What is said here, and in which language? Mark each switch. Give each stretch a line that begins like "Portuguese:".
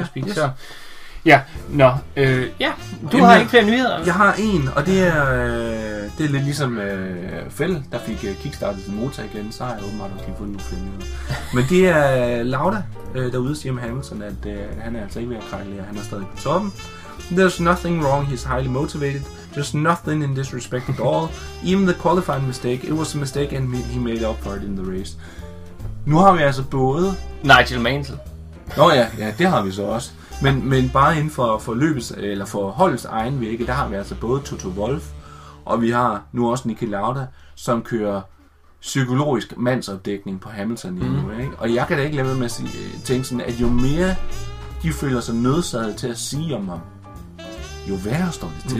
Danish: yes. Så. Ja, nå. Ja, du har ikke flere nyheder. Jeg har en, og det er lidt ligesom Fell, der fik kickstartet sin motor igen. Så har jeg åbenbart også lige fundet nogle flere nyheder. Men det er Lauda, der ude siger med Hamilton, at han er altså ikke ved at krakke lære. Han er stadig på toppen.
English: There's nothing wrong, he's highly motivated. There's nothing in disrespect at all. Even the qualifying mistake, it was a mistake and he made up for it in the race.
Danish: Nu har vi altså både... Nigel Mansell. Nå ja, det har vi så også. Men bare inden for løbets, eller for holdets egen vægge, der har vi altså både Toto Wolff, og vi har nu også Niki Lauda, som kører psykologisk mandsopdækning på Hamilton lige nu. Ikke? Og jeg kan da ikke lade være med at tænke sådan, at jo mere de føler sig nødsaget til at sige om ham, jo værre står det til.